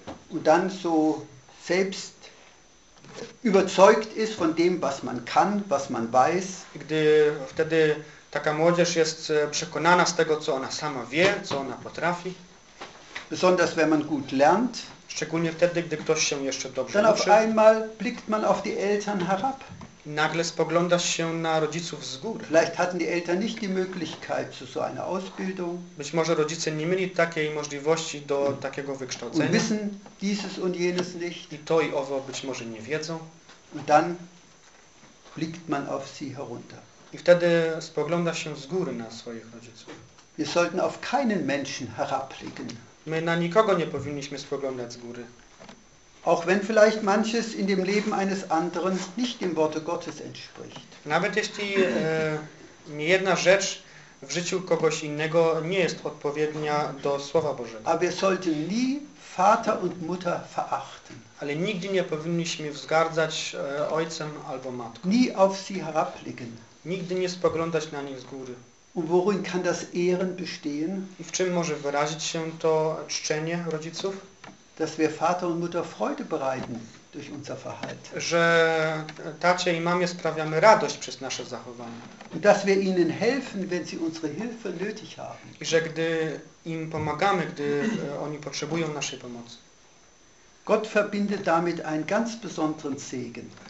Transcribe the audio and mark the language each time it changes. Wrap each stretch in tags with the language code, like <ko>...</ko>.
<de>Und dann so selbst überzeugt ist von dem, was man kann, was man weiß.</de> <pl>Gdy wtedy taka młodzież jest przekonana z tego, co ona sama wie, co ona potrafi.</pl> <de>Besonders wenn man gut lernt.</de> <pl>Szczególnie wtedy, gdy ktoś się jeszcze dobrze</pl> <de>dann</de> <pl>uczy.</pl> <de>Auf einmal blickt man auf die Eltern herab.</de> <pl>Nagle spogląda się na rodziców z góry.</pl> <de>Vielleicht hatten die Eltern nicht die Möglichkeit zu so einer Ausbildung.</de> <pl>Być może rodzice nie mieli takiej możliwości do takiego wykształcenia.</pl> <de>Und wissen dieses und jenes nicht.</de> <pl>I to i owo być może nie wiedzą.</pl> <de>Und dann blickt man auf sie herunter.</de> <pl>I wtedy spogląda się z góry na swoich rodziców.</pl> <de>Wir sollten auf keinen Menschen herabblicken.</de> <pl>My na nikogo nie powinniśmy spoglądać z góry.</pl> <de>Auch wenn vielleicht manches in dem Leben eines anderen nicht dem Worte Gottes entspricht.</de> <pl>Nawet jeśli niejedna rzecz w życiu kogoś innego nie jest odpowiednia do Słowa Bożego.</pl> <de>Aber wir sollten nie Vater und Mutter verachten.</de> <pl>Ale nigdy nie powinniśmy wzgardzać ojcem albo matką.</pl> <de>Nie auf sie herabblicken.</de> <pl>Nigdy nie spoglądać na nich z góry.</pl> <de>Und worin kann das Ehren bestehen?</de> <pl>I w czym może wyrazić się to czczenie rodziców?</pl> <de>Dass wir Vater und Mutter Freude bereiten durch unser Verhalten.</de> <pl>Że tacie i mamie sprawiamy radość przez nasze zachowanie.</pl> <de>Und dass wir ihnen helfen, wenn sie unsere Hilfe nötig haben.</de> <pl>I że gdy im pomagamy, gdy oni potrzebują naszej pomocy.</pl> <de>Gott verbindet damit einen ganz besonderen Segen.</de>